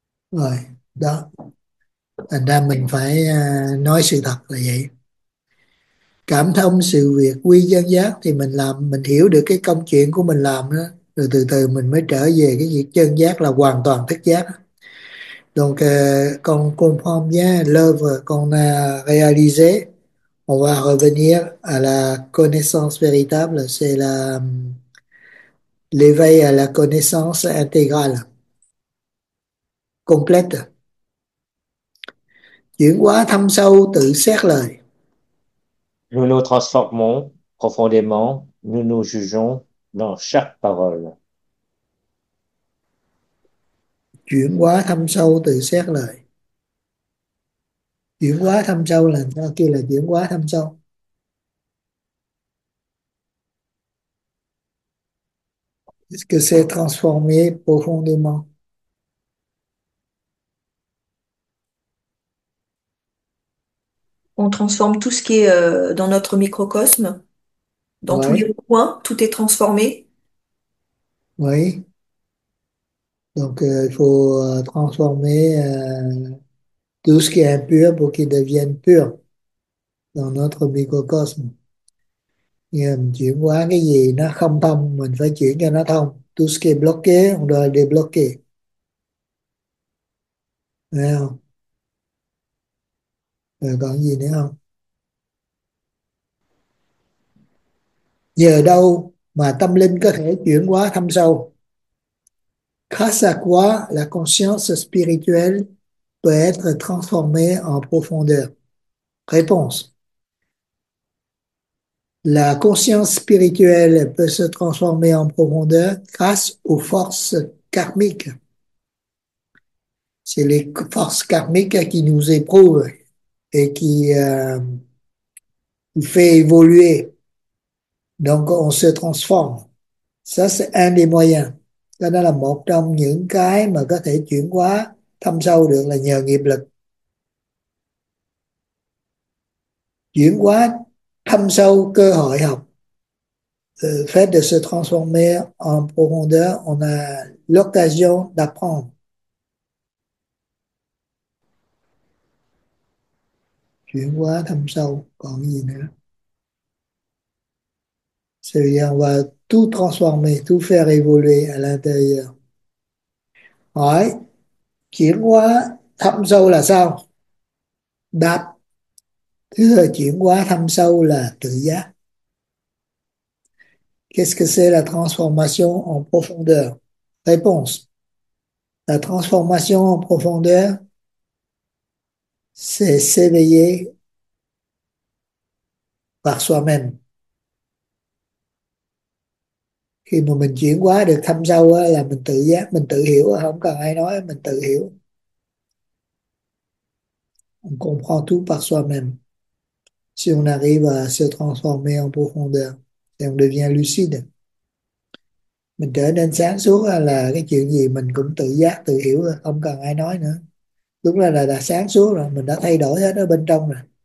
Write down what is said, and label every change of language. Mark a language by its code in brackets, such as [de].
[vi] Rồi, đó. Thành ra mình phải nói sự thật là vậy. Cảm thông sự việc quy chân giác thì mình làm mình hiểu được cái công chuyện của mình làm đó, rồi từ từ mình mới trở về cái việc chân giác là hoàn toàn thức giác. [fr] Donc con comprend bien l'œuvre qu'on a réalisée, on va revenir à la connaissance véritable, c'est la l'éveil à la connaissance intégrale complète. [vi] Chuyển hóa thâm sâu tự xét lời. [fr] Nous nous transformons profondément, nous nous jugeons dans chaque parole. [vi] Chuyển hóa thâm sâu tự xét lời. Chuyển hóa thâm sâu là sao? Kia là chuyển hóa thâm sâu. [fr] Est-ce que c'est transformé profondément? On transforme tout ce qui est dans notre microcosme, dans tous les Oui. recoins, tout est transformé. Oui. Donc, il faut transformer tout ce qui est impur pour qu'il devienne pur dans notre microcosme. [vi] Nhưng chuyển qua cái gì nó không thông, mình phải chuyển cho nó thông. [fr] Tout ce qui est bloqué, on doit le débloquer. [vi] Thấy không? Rồi còn gì nữa không? Nhờ đâu mà tâm linh có thể chuyển hóa thâm sâu? [fr] Grâce à quoi la conscience spirituelle peut être transformée en profondeur? Réponse. La conscience spirituelle peut se transformer en profondeur grâce aux forces karmiques. C'est les forces karmiques qui nous éprouvent et qui nous fait évoluer. Donc on se transforme. Ça, c'est un des moyens. [vi] Ça, đó là một trong những cái mà có thể chuyển hóa thâm sâu được là nhờ nghiệp lực. Chuyển hóa thâm sâu cơ hội học. [fr] Le fait de se transformer en profondeur, on a l'occasion d'apprendre. [vi] Chuyển hóa thâm sâu, còn gì nữa? [fr] C'est-à-dire, on va tout transformer, tout faire évoluer à l'intérieur. [vi] Hỏi, chuyển hóa thâm sâu là sao? Đáp, thứ là chuyển hóa thâm sâu là tự giác. [fr] Qu'est-ce que c'est la transformation en profondeur? Réponse. La transformation en profondeur, c'est s'éveiller par soi-même. [vi] Khi mà mình chuyển hóa được thâm sâu á, là mình tự giác, mình tự hiểu, không cần ai nói, mình tự hiểu. [fr] On comprend tout par soi-même. Si on arrive à se transformer en profondeur et on devient lucide, [vi] mình trở nên sáng suốt là cái chuyện gì mình cũng tự giác tự hiểu, không cần ai nói nữa. Đúng là đã sáng suốt rồi, mình đã thay đổi hết ở bên trong rồi.